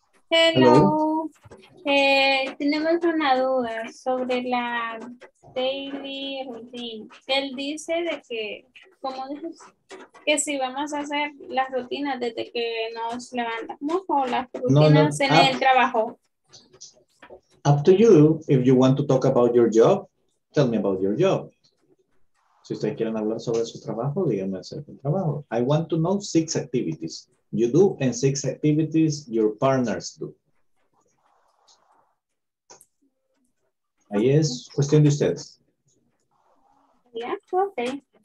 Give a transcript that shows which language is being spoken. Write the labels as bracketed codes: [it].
[es] Hello. Tenemos una duda sobre la [en] daily routine. [es] Él dice de que, ¿cómo dices? Que si vamos a hacer las rutinas desde que nos levantamos o las rutinas no, no, en el trabajo. [en] Up to you. If you want to talk about your job, tell me about your job. [es] Si ustedes quieren hablar sobre su trabajo, díganme acerca del trabajo. [en] I want to know 6 activities. You do, and 6 activities your partners do. [es] Ahí es cuestión de ustedes. [en] Yeah, okay.